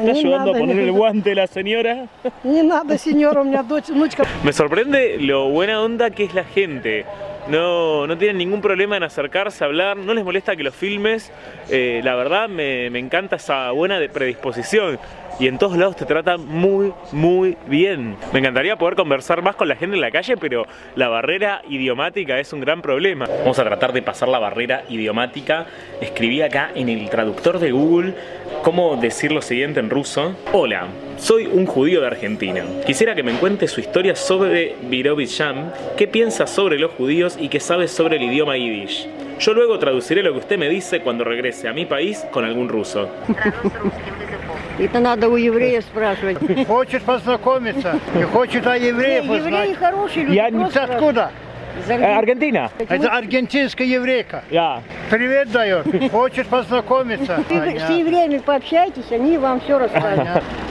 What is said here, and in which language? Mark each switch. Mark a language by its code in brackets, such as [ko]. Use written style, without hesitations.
[es] Está ayudando a poner el guante la señora. [ru] Не надо, señora, у меня дочь, внучка. [es] Me sorprende lo buena onda que es la gente. No tienen ningún problema en acercarse, hablar, no les molesta que los filmes. La verdad, me encanta esa buena predisposición. Y en todos lados te tratan muy, muy bien. Me encantaría poder conversar más con la gente en la calle, pero la barrera idiomática es un gran problema. Vamos a tratar de pasar la barrera idiomática. Escribí acá en el traductor de Google cómo decir lo siguiente en ruso. Hola, soy un judío de Argentina. Quisiera que me cuente su historia sobre Birobidzhan, qué piensa sobre los judíos y qué sabe sobre el idioma yiddish. Yo luego traduciré lo que usted me dice cuando regrese a mi país con algún ruso. [ru] Это надо у еврея спрашивать. Хочет познакомиться и хочет о евреях узнать. Евреи хорошие люди. Я не знаю откуда. Аргентина. Это аргентинская еврейка. Я. Привет дает. Хочет познакомиться. С евреями пообщайтесь, они вам все расскажут.